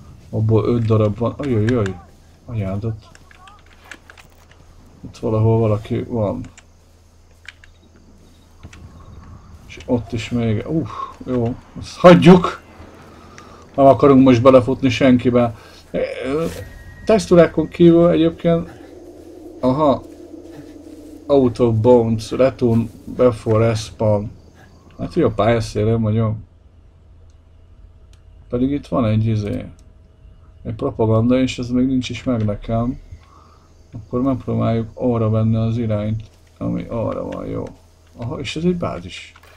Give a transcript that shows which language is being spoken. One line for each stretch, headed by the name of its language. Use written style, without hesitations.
Hungarian: Abból 5 darab van. Ajajaj, anyádat. Itt valahol valaki van. És ott is még... jó, azt hagyjuk! Nem akarunk most belefutni senkibe. Textúrákon kívül egyébként... Aha.
English: Out of bounds, return before spawn.
Hungarian: Hát jó, pályaszélén vagyok. Pedig itt van egy izé. Egy propaganda, és ez még nincs is meg nekem. Akkor megpróbáljuk arra venni az irányt, ami arra van, jó. Aha, és ez egy bázis.